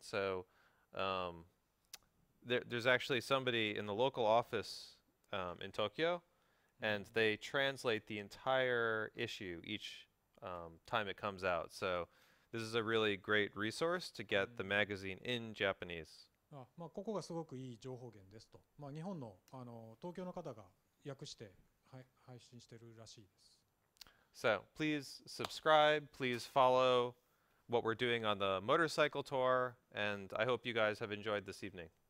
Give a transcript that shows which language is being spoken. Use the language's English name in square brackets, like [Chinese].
[English] So there's actually somebody in the local office. In Tokyo, and they translate the entire issue each time it comes out. So this is a really great resource to get the magazine in Japanese. [Japanese] Ah, まあここがすごくいい情報源ですと。まあ日本のあの東京の方が訳して配信してるらしいです。 [English] So please subscribe. Please follow what we're doing on the motorcycle tour, and I hope you guys have enjoyed this evening.